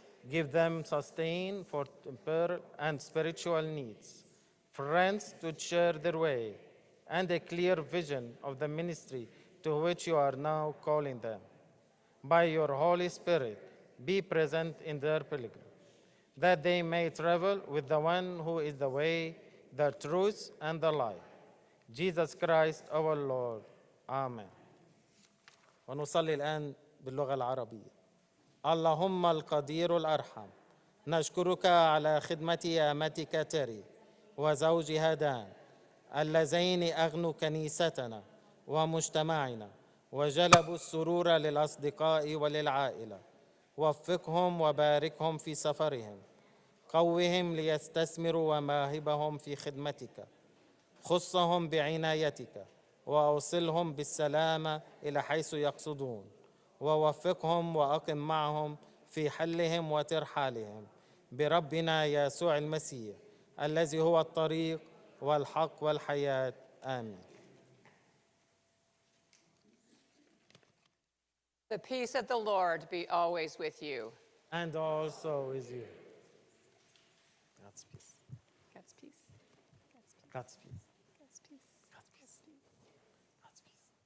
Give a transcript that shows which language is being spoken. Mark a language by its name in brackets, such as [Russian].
[English] Give them sustain for temporal and spiritual needs, friends to cheer their way, and a clear vision of the ministry to which you are now calling them. By your Holy Spirit, be present in their pilgrimage, that they may travel with the one who is the way, the truth, and the life. Jesus Christ, our Lord. Amen. [Arabic] ونصلي الآن باللغة العربية. اللهم القدير الأرحم، نشكرك على خدمة أمتك تيري وزوجها دان، اللذين أغنوا كنيستنا ومجتمعنا وجلبوا السرور للأصدقاء وللعائلة. وفقهم وباركهم في سفرهم، قوهم ليستثمروا مواهبهم في خدمتك، خصهم بعنايتك وأوصلهم بالسلامة إلى حيث يقصدون، ووفقهم وأقم معهم في حلهم وترحالهم بربنا يسوع المسيح الذي هو الطريق والحق والحياة. آمين. [English] The peace of the Lord be always with you. And also with you. God's peace. God's peace. God's peace. God's peace. God's peace.